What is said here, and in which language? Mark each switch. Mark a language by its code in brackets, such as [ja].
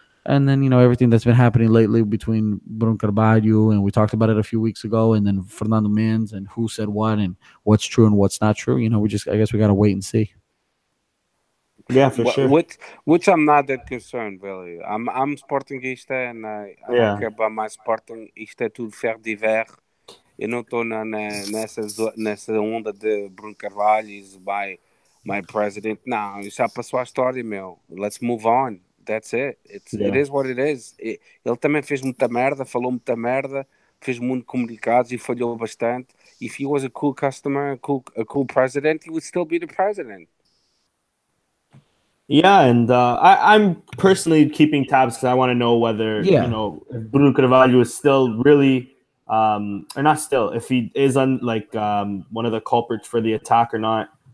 [en] And then, you know, everything that's been happening lately between Bruno Carvalho, and we talked about it a few weeks ago, and then Fernando Mendes and who said what and what's true and what's not true. You know, I guess we got to wait and see. Yeah, for sure. Which I'm not that concerned, really. I'm Sportingista, and I don't care about my Sportingista to faire divers. [pt] Eu não tô nessa onda de Bruno Carvalho [en] is my president. [pt] No, isso já passou a história, meu. [en] Let's move on. That's it. It is what it is. [pt] Ele também fez muita merda, falou muita merda, fez muito comunicados e falhou bastante. [en] If he was a cool customer, a cool president, he would still be the president. Yeah, and I'm personally keeping tabs because I want to know whether, you know, if Bruno Carvalho is still really, or not still, if he is one of the culprits for the attack or not.